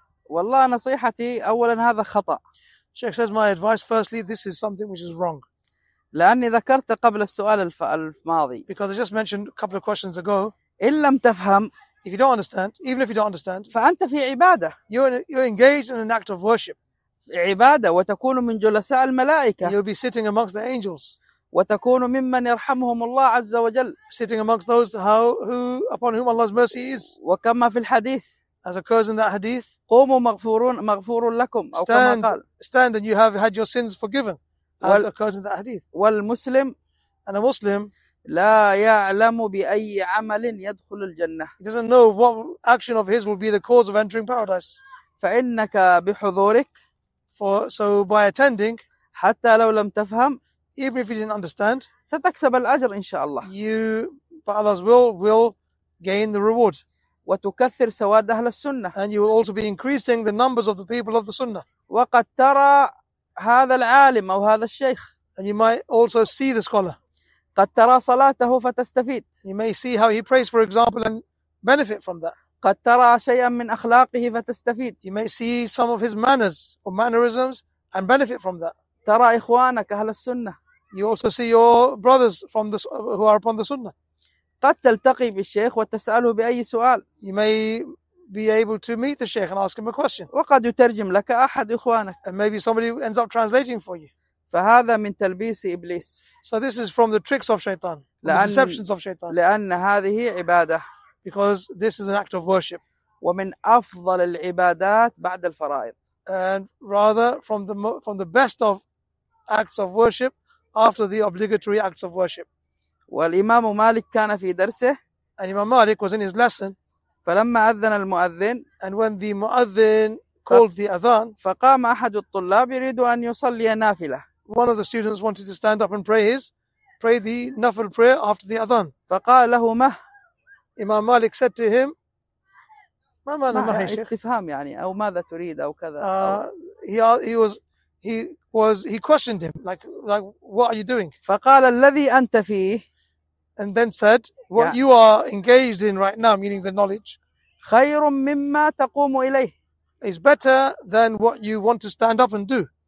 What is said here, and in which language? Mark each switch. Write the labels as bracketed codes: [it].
[ar] والله نصيحتي أولا هذا خطأ. [en] Sheikh says, my advice firstly, this is something which is wrong. [ar] لأني ذكرت قبل السؤال الماضي. [en] Because I just mentioned a couple of questions ago. [ar] إن لم تفهم, [en] if you don't understand, even if you don't understand, [ar] فأنت في عبادة. [en] You're engaged in an act of worship. [ar] عبادة, وتكون من جلساء الملائكة. [en] You'll be sitting amongst the angels. [ar] وتكون ممن يرحمهم الله عز وجل. [en] Sitting amongst those upon whom Allah's mercy is. [ar] وكما في الحديث. [en] As occurs in that hadith. [ar] قوموا مغفور لكم. [en] Stand, [ar] أو كما قال. [en] Stand and you have had your sins forgiven. As occurs in that hadith. [ar] والمسلم. [en] And a Muslim. [ar] لا يعلم بأي عمل يدخل الجنة. [en] He doesn't know what action of his will be the cause of entering paradise. [ar] فإنك بحضورك. [en] So by attending. [ar] حتى لو لم تفهم. [en] Even if you didn't understand. [ar] ستكسب الأجر إن شاء الله. [en] You, by Allah's will gain the reward. [ar] وتكثر سواد أهل السنة. [en] And you will also be increasing the numbers of the people of the Sunnah. [ar] وقد ترى هذا العالم أو هذا الشيخ. [en] And you might also see the scholar. [ar] قد ترى صلاته فتستفيد. [en] You may see how he prays, for example, and benefit from that. [ar] قد ترى شيئا من أخلاقه فتستفيد. [en] You may see some of his manners or mannerisms and benefit from that. [ar] ترى إخوانك أهل السنة. [en] You also see your brothers who are upon the Sunnah. [ar] قد تلتقي بالشيخ وتسأله بأي سؤال. [en] You may be able to meet the Sheikh and ask him a question. [ar] وقد يترجم لك أحد إخوانك. [en] And maybe somebody ends up translating for you. [ar] فهذا من تلبيس إبليس. [en] So this is from the tricks of Shaitan, the deceptions of Shaitan. [ar] لأن هذه عبادة. [en] Because this is an act of worship. [ar] ومن أفضل العبادات بعد الفرائض. [en] And rather from the best of acts of worship after the obligatory acts of worship. [ar] والإمام مالك كان في درسه. [en] And Imam Malik was in his lesson. [ar] فلما أذن المؤذن. [en] And when the مؤذن called the adhan. [ar] فقام أحد الطلاب يريد أن يصلي نافلة. [en] One of the students wanted to stand up and pray the nafil prayer after the adhan. [ar] فقال له مه. [en] Imam Malik said to him, [ar] ما معنى مه يا شيخ؟ استفهام يعني أو ماذا تريد أو كذا. [en] He questioned him like what are you doing? [ar] فقال الذي أنت فيه. [en] And then said, what you are engaged in right now, meaning the knowledge. [ar] خير مما تقوم إليه. [en] Is better than what you want to stand up and do.